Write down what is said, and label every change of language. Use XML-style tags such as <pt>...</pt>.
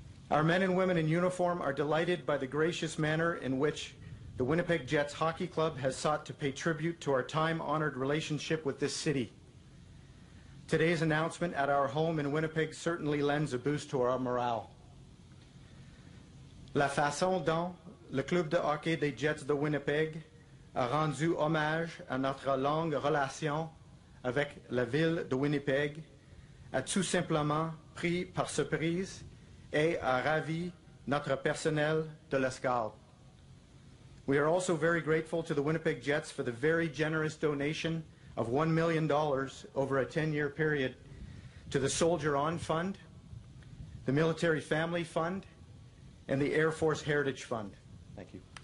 <en>Our men and women in uniform are delighted by the gracious manner in which the Winnipeg Jets Hockey Club has sought to pay tribute to our time-honored relationship with this city. Today's announcement at our home in Winnipeg certainly lends a boost to our morale.</en> <fr>La façon dont le club de hockey des Jets de Winnipeg a rendu hommage à notre longue relation avec la ville de Winnipeg a tout simplement pris par surprise et a ravi notre personnel de l'escale.</fr> <en>We are also very grateful to the Winnipeg Jets for the very generous donation of $1 million over a 10-year period to the Soldier On Fund, the Military Family Fund, and the Air Force Heritage Fund. Thank you.</en>